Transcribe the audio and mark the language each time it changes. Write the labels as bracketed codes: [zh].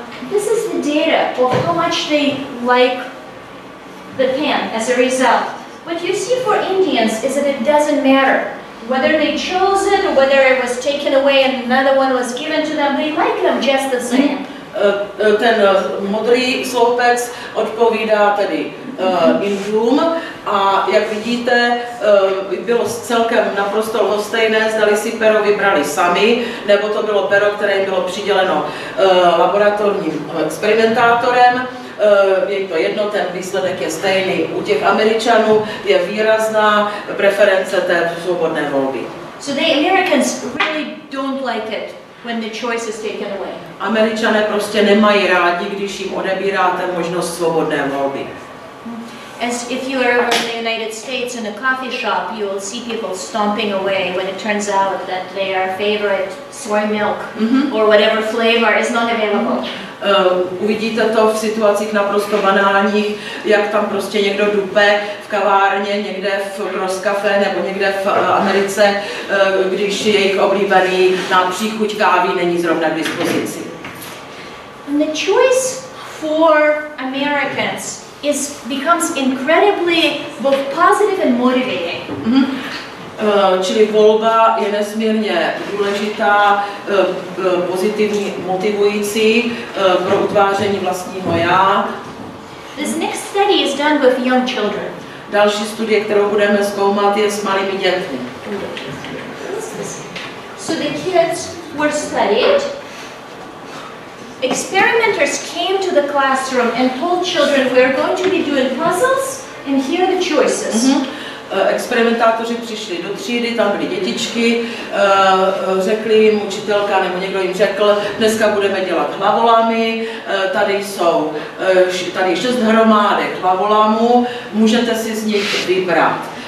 [en] This is the data of how much they like the pen as a result. What you see for Indians is that it doesn't matter whether they chose it or whether it was taken away and another one was given to them, they like them just the same. [cs] Ten modrý sloupec odpovídá tedy Indům a jak vidíte, bylo celkem naprosto lhostejné, zdali si pero vybrali sami, nebo to bylo pero, které bylo přiděleno laboratorním experimentátorem. Je to jedno, ten výsledek je stejný. U těch Američanů je výrazná preference té svobodné volby. [en] So the Americans really don't like it when the choice is taken away. [cs] Američané prostě nemají rádi, když jim odebíráte možnost svobodné volby. [en] As if you are over in the United States in a coffee shop, you will see people stomping away when it turns out that their favorite soy milk or whatever flavor is not available. [cs] Uvidíte to v situacích naprosto banálních, jak tam prostě někdo dupe v kavárně, někde v Roskafe nebo někde v Americe, když jejich oblíbený příchuť kávy není zrovna k dispozici. [en] And the choice for Americans is becomes incredibly both positive and motivating. Mm-hmm. [cs] Čili volba je nesmírně důležitá, pozitivní, motivující pro utváření vlastního já. [en] This next study is done with young children. [cs] Další studie, kterou budeme zkoumat, je s malými dětmi. [en] So the kids were studied. Experimenters came to the classroom and told children, we are going to be doing puzzles and here are the choices. Mm-hmm. [cs] Experimentátoři přišli do třídy, tam byly dětičky, řekli jim učitelka nebo někdo jim řekl, dneska budeme dělat hlavolamy, tady jsou tady šest hromádek hlavolamů, můžete si z nich vybrat.